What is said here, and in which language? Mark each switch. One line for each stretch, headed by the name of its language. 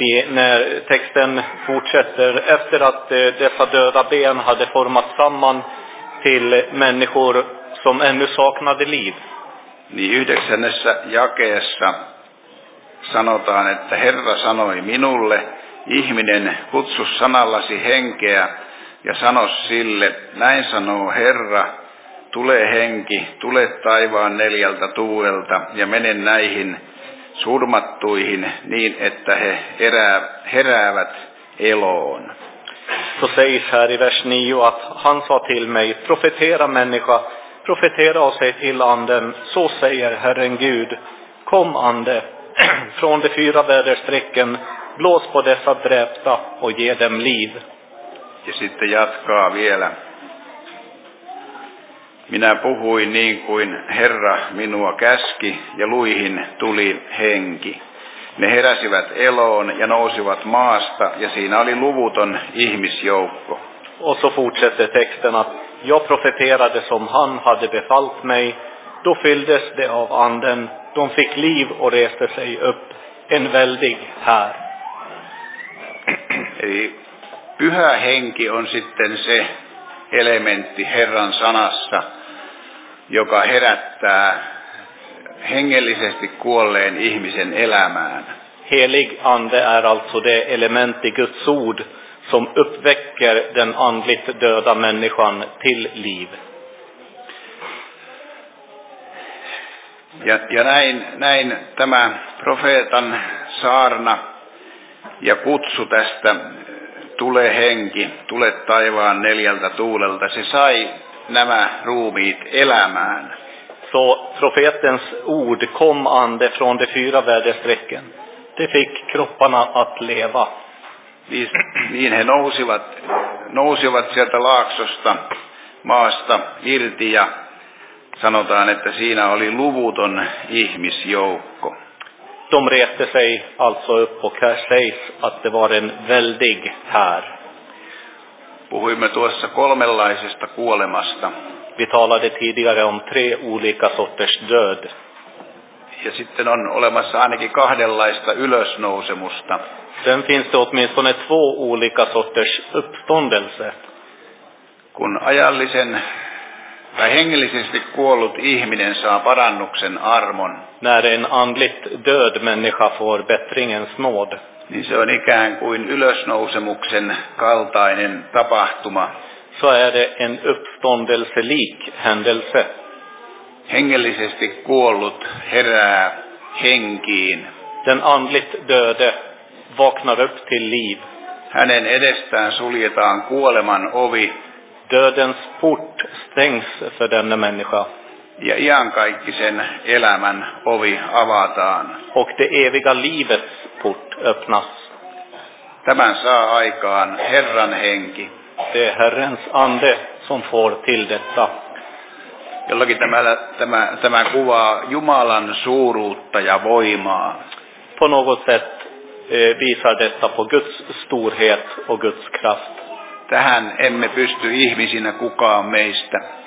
Swedish: När texten fortsätter efter att dessa döda ben hade format samman till människor som ännu saknade liv.
Finnish: Niin yhdeksännessä jakeessa sanotaan, että Herra sanoi minulle, ihminen, kutsu sanallasi henkeä ja sano sille, näin sanoo Herra, tule henki, tule taivaan neljältä tuulelta ja mene näihin surmattuihin niin, että he heräävät eloon.
Swedish: Så sägs här i vers 9 att han sa till mig, profetera människa, profetera och säg till anden, så säger Herren Gud, kom ande, från de fyra väderstrecken, blås på dessa dräpta och ge dem liv.
Finnish: Ja sitten jatkaa vielä. Minä puhuin niin kuin Herra minua käski ja luihin tuli henki. Ne heräsivät eloon ja nousivat maasta ja siinä oli luvuton ihmisjoukko.
Swedish: Och så fortsätter texten att jag profeterade som han hade befallt mig. Då fylldes det av anden. De fick liv och reste sig upp. En väldig här.
Finnish: Eli pyhä henki on sitten se elementti Herran sanassa, joka herättää hengellisesti kuolleen ihmisen elämään.
Swedish: Helig ande är alltså det element i Guds ord som uppväcker den andligt döda människan till liv.
Finnish: Ja näin tämä profeetan saarna ja kutsu tästä, tule henki, tule taivaan neljältä tuulelta, se sai nämä ruumiit elämään.
Swedish: Så profetens ord, kom ande från de fyra väderstrecken, det fick kropparna att leva.
Finnish: Niin he nousivat sieltä laaksosta maasta irti ja sanotaan, että siinä oli luvuton ihmisjoukko.
Swedish: De reste sig alltså upp och här sägs att det var en väldig här.
Finnish: Puhuimme tuossa kolmenlaisesta kuolemasta.
Swedish: Vi talade tidigare om tre olika sorters död.
Finnish: Ja sitten on olemassa ainakin kahdenlaista ylösnousemusta.
Swedish: Sen finns det åtminstone två olika sorters uppståndelse.
Finnish: Kun ajallisen tai hengellisesti kuollut ihminen saa parannuksen armon.
Swedish: När en andligt död människa får bättringens nåd.
Finnish: Niin se on ikään kuin ylösnousemuksen kaltainen tapahtuma.
Swedish: Så är det en uppståndelselik händelse.
Finnish: Hengellisesti kuollut herää henkiin.
Swedish: Den andligt döde vaknar upp till liv.
Finnish: Hänen edestään suljetaan kuoleman ovi.
Swedish: Dödens port stängs för denna människa.
Finnish: Ja iankaikkisen elämän ovi avataan.
Swedish: Och det eviga livets port öppnas.
Finnish: Tämän saa aikaan Herran henki.
Swedish: Det är Herrens ande som får till detta.
Finnish: Jollakin tämä kuvaa Jumalan suuruutta ja voimaa.
Swedish: På något sätt visar detta på Guds storhet och Guds kraft.
Finnish: Tähän emme pysty ihmisinä kukaan meistä.